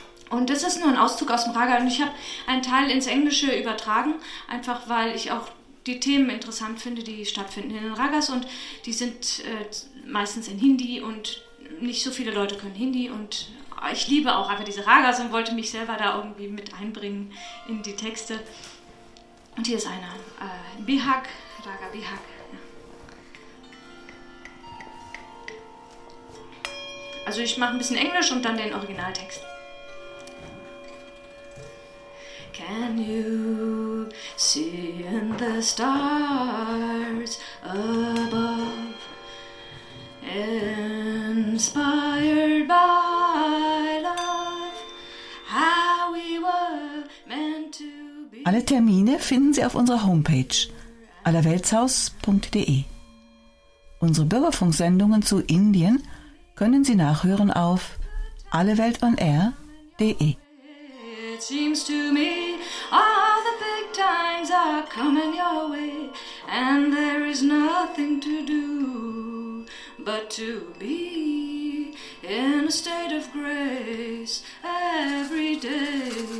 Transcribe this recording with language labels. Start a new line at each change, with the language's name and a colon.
German: Und das ist nur ein Auszug aus dem Raga und ich habe einen Teil ins Englische übertragen, einfach weil ich auch die Themen interessant finde, die stattfinden in den Ragas und die sind meistens in Hindi und nicht so viele Leute können Hindi und ich liebe auch einfach diese Ragas und wollte mich selber da irgendwie mit einbringen in die Texte. Und hier ist einer, Bihak, Raga Bihak. Also ich mache ein bisschen Englisch und dann den Originaltext.
English: Can you see in the stars above, inspired by love, how we were meant to be?
German: Alle Termine finden Sie auf unserer Homepage allerweltshaus.de. Unsere Bürgerfunksendungen zu Indien können Sie nachhören auf alleweltonair.de.
English: It seems to me all the big times are coming your way and there is nothing to do but to be in a state of grace every day.